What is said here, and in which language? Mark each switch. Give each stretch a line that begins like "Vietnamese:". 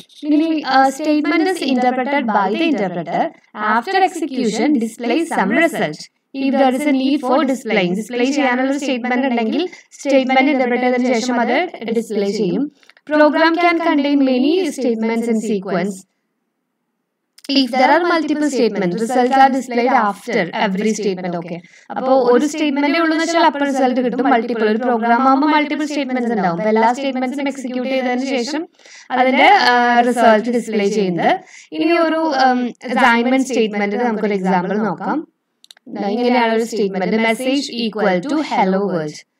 English: ഇനി statement is interpreted by the interpreter after execution display some result. If there is a need for displaying
Malayalam: display ചെയ്യാനുള്ള statement ഉണ്ടെങ്കിൽ statement interpret ചെയ്തതിനു ശേഷം അത് display ചെയ്യും.
English: Program can contain many statements in sequence. If there are multiple statements, results are displayed after every statement. Okay.
Malayalam: അപ്പൊ ഒരു statement ഉള്ളതെന്ന് വെച്ചാൽ അപ്പോൾ റിസൾട്ട് കിട്ടും. മൾട്ടിപ്പിൾ ഒരു പ്രോഗ്രാം ആകുമ്പോൾ മൾട്ടിപ്പിൾ സ്റ്റേറ്റ്മെന്റ്സ് ഉണ്ടാവും. അപ്പൊ എല്ലാ സ്റ്റേറ്റ്മെന്റ്സും എക്സിക്യൂട്ട് ചെയ്തതിന് ശേഷം അതിന്റെ റിസൾട്ട് ഡിസ്പ്ലേ ചെയ്യുന്നത്. ഇനി ഒരു അസൈൻമെന്റ് സ്റ്റേറ്റ്മെന്റിന് നമുക്കൊരു എക്സാമ്പിൾ നോക്കാം. ഇങ്ങനെയാണ് ഒരു statement,
English: Message equal to hello world.